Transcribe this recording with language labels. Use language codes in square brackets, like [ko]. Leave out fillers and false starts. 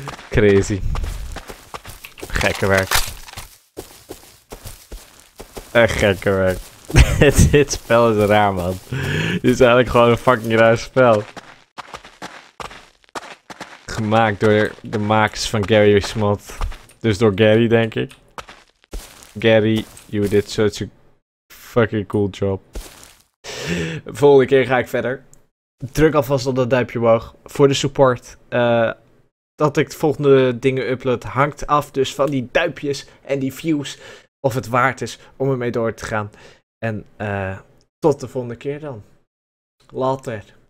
[en] Crazy. [nl] Gekke werk. Echt gekke werk. Dit spel is raar, man. Dit is eigenlijk gewoon een fucking raar spel. Gemaakt door de makers van Gary Smalt. Dus door Gary, denk ik. [en] Gary, you did such a fucking cool job. [nl] Volgende keer ga ik verder. Druk alvast op dat duimpje omhoog voor de support. Dat ik de volgende dingen upload hangt af dus van die duimpjes en die views. Of het waard is om ermee door te gaan. En tot de volgende keer dan. Later.